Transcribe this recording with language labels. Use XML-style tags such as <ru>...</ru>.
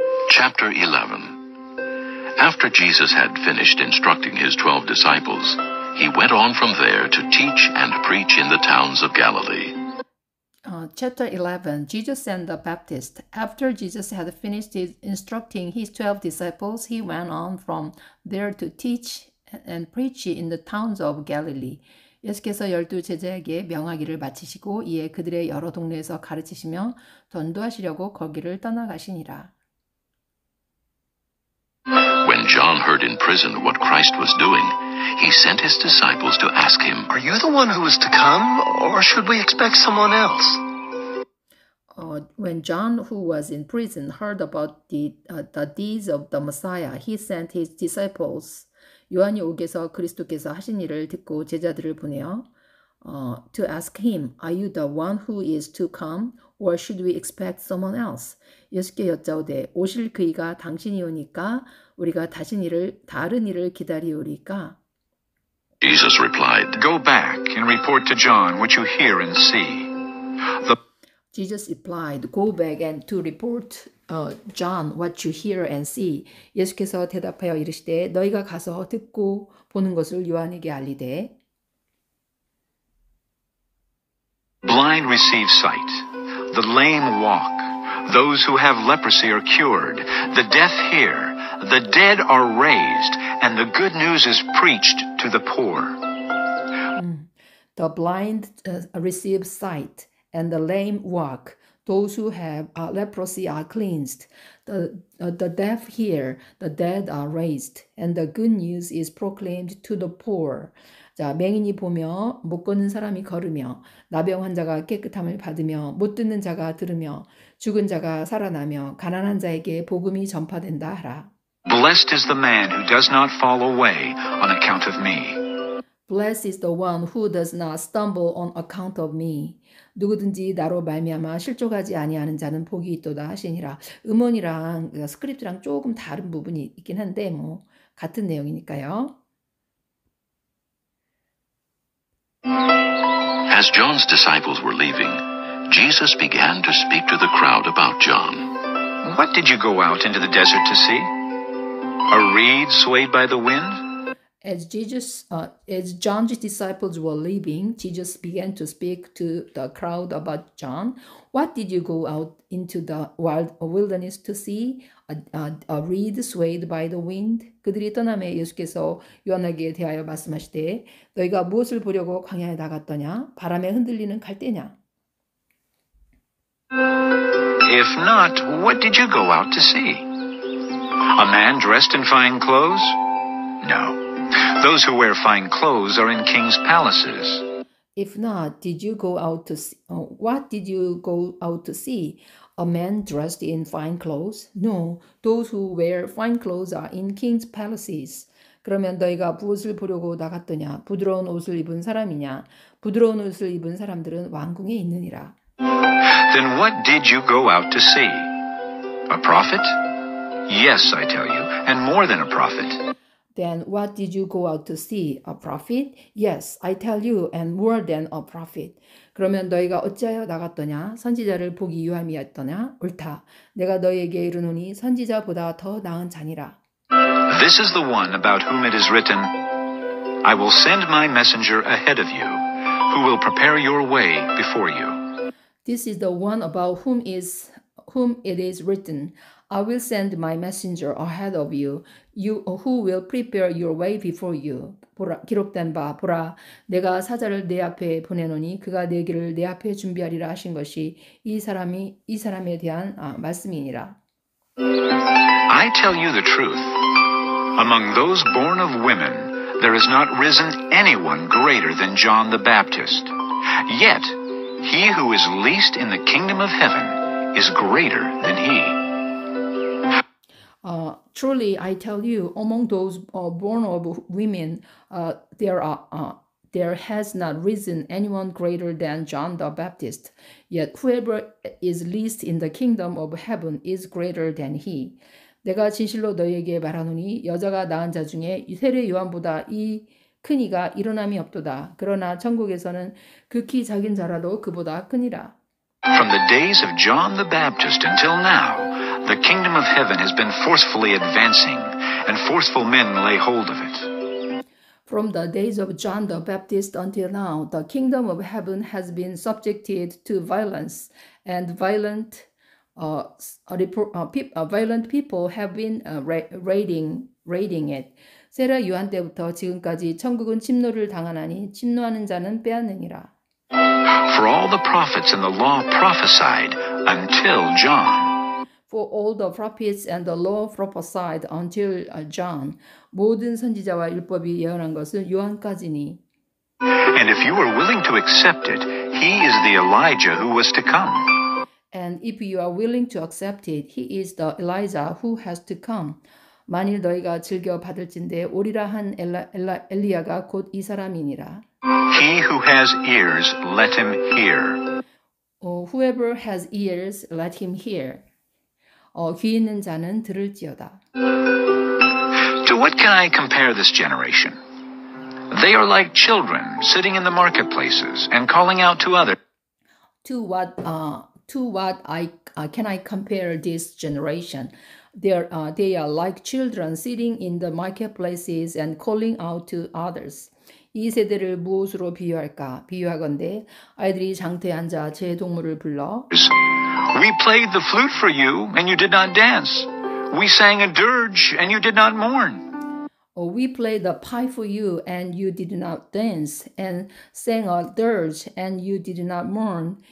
<en>Chapter 11. After Jesus had finished instructing his 12 disciples, he went on from there to teach and preach in the towns of Galilee. Chapter 11, Jesus and the Baptist. After Jesus had finished instructing his 12 disciples, he went on from there to teach and preach in the towns of Galilee.</en> <ko>예수께서 열두 제자에게 명하기를 마치시고 이에 그들의 여러 동네에서 가르치시며 전도하시려고 거기를 떠나가시니라.</ko> <en>When John heard in prison what Christ was doing, he sent his disciples to ask him, Are you the one who is to come, or should we expect someone else? When John, who was in prison, heard about the deeds of the Messiah, he sent his disciples.</en> <ko>요한이 옥에서 그리스도께서 하신 일을 듣고 제자들을 보내어</ko> <en>to ask him, Are you the one who is to come, or should we expect someone else?</en> <ko>예수께 여쭤오되 오실 그이가 당신이오니까 우리가 다른 이를 기다리오리까?</ko> <en>Jesus replied, Go back and report to John what you hear and see. Jesus replied, Go back and to report John what you hear and see.</en> <ko>예수께서 대답하여 이르시되 너희가 가서 듣고 보는 것을 요한에게 알리되</ko> <en>Blind receive sight, the lame walk, those who have leprosy are cured, the deaf hear, the dead are raised, and the good news is preached to the poor. The blind receive sight, and the lame walk. Those who have leprosy are cleansed. The deaf hear, the dead are raised, and the good news is proclaimed to the poor.</en> <ko>자, 맹인이 보며, 못 걷는 사람이 걸으며, 나병 환자가 깨끗함을 받으며, 못 듣는 자가 들으며, 죽은 자가 살아나며, 가난한 자에게 복음이 전파된다 하라.</ko> <en>Blessed is the man who does not fall away on account of me. Blessed is the one who does not stumble on account of me.</en> <ko>누구든지 나로 말미암아 실족하지 아니하는 자는 복이 있도다 하시니라. 음원이랑 스크립트랑 조금 다른 부분이 있긴 한데 뭐 같은 내용이니까요.</ko> <en>As John's disciples were leaving, Jesus began to speak to the crowd about John. What did you go out into the desert to see? A reed swayed by the wind? As John's disciples were leaving, Jesus began to speak to the crowd about John. What did you go out into the wilderness to see? A reed swayed by the wind?</en> <ko>그들이 떠남에 예수께서 요한에게 대하여 말씀하시되 너희가 무엇을 보려고 광야에 나갔더냐? 바람에 흔들리는 갈대냐?</ko> <en>If not, what did you go out to see? A man dressed in fine clothes? No. Those who wear fine clothes are in king's palaces. If not, did you go out to see, what did you go out to see? A man dressed in fine clothes? No, those who wear fine clothes are in king's palaces.</en> <ko>그러면 너희가 무엇을 보려고 나갔더냐? 부드러운 옷을 입은 사람이냐? 부드러운 옷을 입은 사람들은 왕궁에 있느니라.</ko> <en>Then what did you go out to see? A prophet? Yes, I tell you, and more than a prophet. Then what did you go out to see? A prophet? Yes, I tell you, and more than a prophet.</en> <ko>그러면 너희가 어찌하여 나갔더냐? 선지자를 보기 유함이었더냐? 옳다. 내가 너희에게 이르노니 선지자보다 더 나은 자니라.</ko> <en>This is the one about whom it is written, I will send my messenger ahead of you, who will prepare your way before you. This is the one about whom it is written, I will send my messenger ahead of you, who will prepare your way before you.</en> <ko>보라, 기록된 바, 보라, 내가 사자를 내 앞에 보내노니 그가 내 길을 내 앞에 준비하리라 하신 것이 이 사람이 이 사람에 대한 말씀이니라.</ko> <en>I tell you the truth. Among those born of women, there has not risen anyone greater than John the Baptist. Yet, he who is least in the kingdom of heaven is greater than he. Truly, I tell you, among those born of women, there has not risen anyone greater than John the Baptist. Yet whoever is least in the kingdom of heaven is greater than he.</en> <ko>내가 진실로 너희에게 말하노니 여자가 낳은 자 중에 세례 요한보다 이 큰 이가 일어남이 없도다. 그러나 천국에서는 극히 작은 자라도 그보다 크니라.</ko> <en>From the days of John the Baptist until now, the kingdom of heaven has been forcefully advancing, and forceful men lay hold of it. From the days of John the Baptist until now, the kingdom of heaven has been subjected to violence, and violent people have been raiding it.</en> <ko>세례 요한 때부터 지금까지 천국은 침노를 당하나니 침노하는 자는 빼앗느니라.</ko> <en>For all the prophets and the law prophesied until John. For all the prophets and the law prophesied until John.</en> <ko>모든 선지자와 율법이 예언한 것은 요한까지니.</ko> <en>And if you are willing to accept it, he is the Elijah who was to come. And if you are willing to accept it, he is the Elijah who has to come.</en> <ko>만일 너희가 즐겨 받을진대 오리라 한 엘리야가 곧 이 사람이니라.</ko> <en>He who has ears, let him hear. Whoever has ears, let him hear.</en> <ko>귀 있는 자는 들을지어다.</ko> <en>To what can I compare this generation? They are like children sitting in the marketplaces and calling out to others. To what can I compare this generation? They are like children sitting in the marketplaces and calling out to others.</en> <ko>이 세대를 무엇으로 비유할까? 비유하건대 아이들이 장터에 앉아 제 동물을 불러.</ko> <en>We played the flute for you and you did not dance. We sang a dirge and you did not mourn. We played the pipe for you and you did not dance and sang a dirge and you did not mourn.</en>